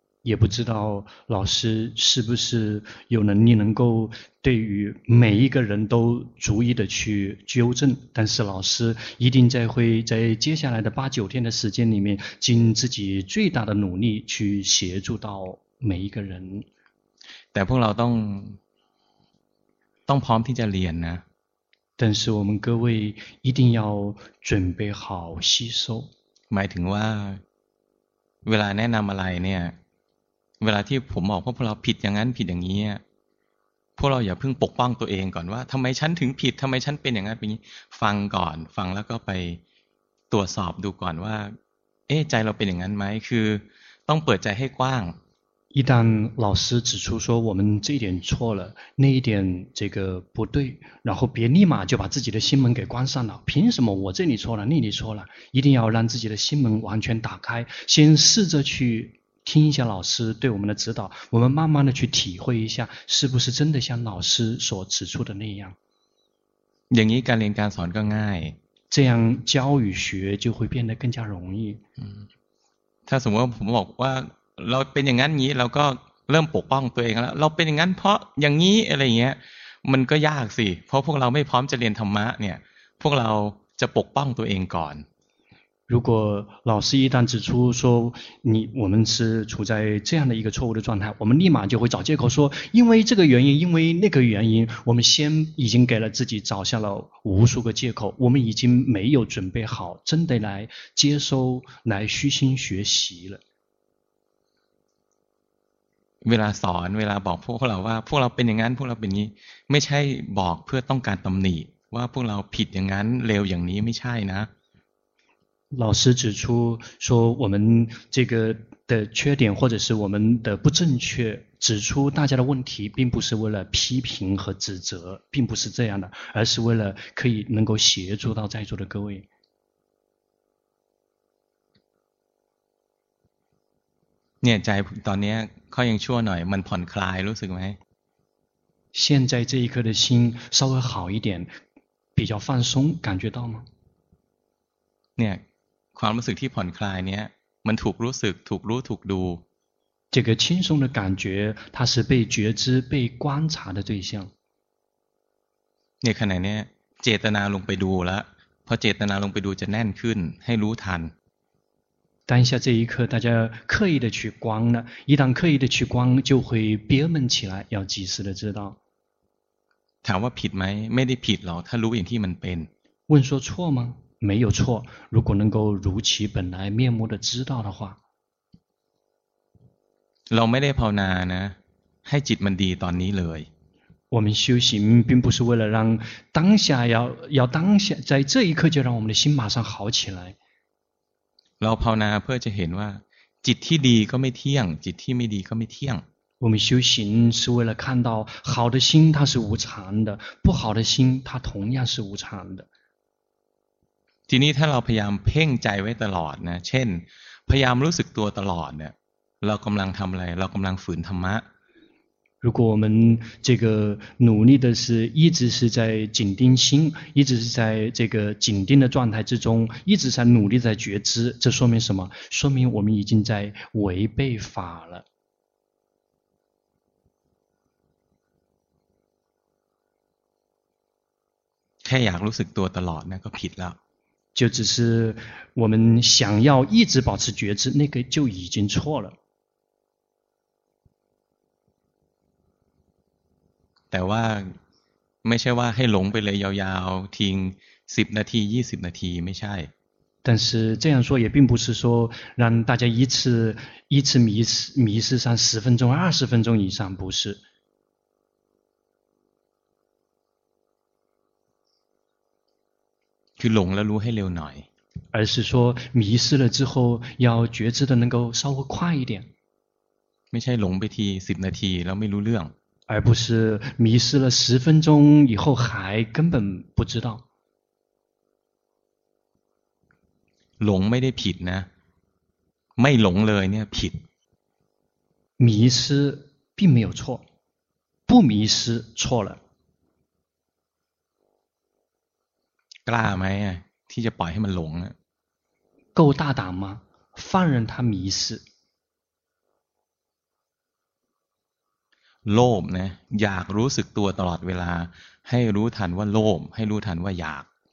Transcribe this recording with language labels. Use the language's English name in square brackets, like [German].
[Chinese] 也不知道老师是不是有能力能够对于每一个人都逐一的去纠正但是老师一定在会在接下来的 8-9 天的时间里面尽自己最大的努力去协助到每一个人 [Thai] แต่พวกเราต้องพร้อมที่จะเรียนนะ [Chinese] 但是我们各位一定要准备好吸收 [Thai] หมายถึงว่าเวลาแนะนำอะไรเนี่ยเวลาที่ผมบอกพวกเราผิดอย่างนั้นผิดอย่างนี้ พวกเราอย่าเพิ่งปกป้องตัวเองก่อนว่าทำไมฉันถึงผิดทำไมฉันเป็นอย่างนั้นเป็นนี้ฟังก่อนฟังแล้วก็ไปตรวจสอบดูก่อนว่าเอ๊ะใจเราเป็นอย่างนั้นไหมคือต้องเปิดใจให้กว้าง [Chinese] 一旦老师指出说我们这一点错了，那一点这个不对，然后别立马就把自己的心门给关上了。凭什么我这里错了，那里错了？一定要让自己的心门完全打开，先试着去听一下老师对我们的指导，我们慢慢的去体会一下，是不是真的像老师所指出的那样。 [Thai] อย่างนี้การเรียนการสอนก็ง่าย。 [Chinese] 这样教与学就会变得更加容易。 [Thai] ถ้าสมมติผมบอกว่าเราเป็นอย่างนั้นนี้เราก็เริ่มปกป้องตัวเองแล้วเราเป็นอย่างนั้นเพราะอย่างนี้อะไรเงี้ยมันก็ยากสิเพราะพวกเราไม่พร้อมจะเรียนธรรมะเนี่ยพวกเราจะปกป้องตัวเองก่อน [Chinese] 如果老师一旦指出说你我们是处在这样的一个错误的状态，我们立马就会找借口说因为这个原因，因为那个原因，我们先已经给了自己找下了无数个借口，我们已经没有准备好真的来接收来虚心学习了。 [Thai] เวลาสอนเวลาบอกพวกเราว่าพวกเราเป็นอย่างนั้นพวกเราเป็นนี้ไม่ใช่บอกเพื่อต้องการตำหนิว่าพวกเราผิดอย่างนั้นเลวอย่างนี้ไม่ใช่นะ [Chinese] 老师指出说我们这个的缺点或者是我们的不正确指出大家的问题并不是为了批评和指责并不是这样的而是为了可以能够协助到在座的各位 [Thai] เนี่ยใจตอนนี้เขายังชั่วหน่อยมันผ่อนคลายรู้สึกไหม [Chinese] 现在这一刻的心稍微好一点比较放松感觉到吗 [Thai] เนี่ยความรู้สึกที่ผ่อนคลายเนี่ยมันถูกรู้สึกถูกรู้ถูกดู [Chinese] 这个轻松的感觉它是被觉知被观察的对象 [Thai] เนี่ยขณะเนี้ยเจตนาลงไปดูแล้วพอเจตนาลงไปดูจะแน่นขึ้นให้รู้ทัน [Chinese] 当下这一刻大家刻意的去观呢一旦刻意的去观就会憋闷起来要及时的知道 [Thai] ถามว่าผิดไหมไม่ได้ผิดหรอกถ้ารู้อย่างที่มันเป็น [Chinese] 问说错吗没有错如果能够如其本来面目的知道的话 [Thai] เราไม่ได้ภาวนานะให้จิตมันดีตอนนี้เลย [Chinese] 我们修行并不是为了让当下要当下在这一刻就让我们的心马上好起来 [Thai] เราภาวนาเพื่อจะเห็นว่าจิตที่ดีก็ไม่เที่ยงจิตที่ไม่ดีก็ไม่เที่ยง [Chinese] 我们修行是为了看到好的心它是无常的不好的心它同样是无常的 [Thai] ทีนี้ถ้าเราพยายามเพ่งใจไว้ตลอดนะเช่นพยายามรู้สึกตัวตลอดเนี่ยเรากำลังทำอะไรเรากำลังฝืนธรรมะ [Chinese] 如果我们这个努力的是一直是在紧盯心一直是在这个紧盯的状态之中一直在努力在觉知这说明什么说明我们已经在违背法了 [Thai] แค่อยากรู้สึกตัวตลอดนะก็ผิดแล้ว [Chinese] 就只是我们想要一直保持觉知那个就已经错了 [Thai] แต่ว่าไม่ใช่ว่าให้หลงไปเลยยาวๆทิ้ง10นาที20นาทีไม่ใช่ [Chinese] 但是这样说也并不是说让大家一次迷失上10分钟20分钟以上不是 [Thai] คือหลงแล้วรู้ให้เร็วหน่อย [Chinese] 而是说迷失了之后要觉知的能够稍微快一点 [Thai] ไม่ใช่หลงไปที10นาทีแล้วไม่รู้เรื่อง [Chinese] 而不是迷失了十分钟以后还根本不知道 [Thai] หลงไม่ได้ผิดนะไม่หลงเลยเนี่ยผิด [Chinese] 迷失并没有错不迷失错了 [Thai] กล้าไหมที่จะปล่อยให้มันหลง [Chinese] 够大胆吗放任他迷失 [Thai] โลภนะอยากรู้สึกตัวตลอดเวลาให้รู้ทันว่าโลภให้รู้ทันว่าอยาก